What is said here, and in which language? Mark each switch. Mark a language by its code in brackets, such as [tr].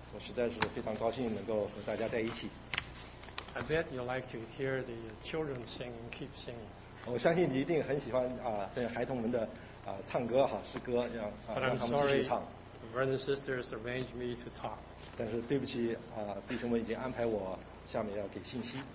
[zh] 我实在是非常高兴能够和大家在一起。 [en] I bet you like to hear the children singing, keep singing. [zh] 我相信你一定很喜欢啊，这孩童们的啊唱歌哈、啊、诗歌，让让他们继续唱。 [en] Brothers and sisters, arrange me to talk. [zh] 但是对不起啊，弟兄们已经安排我下面要给信息。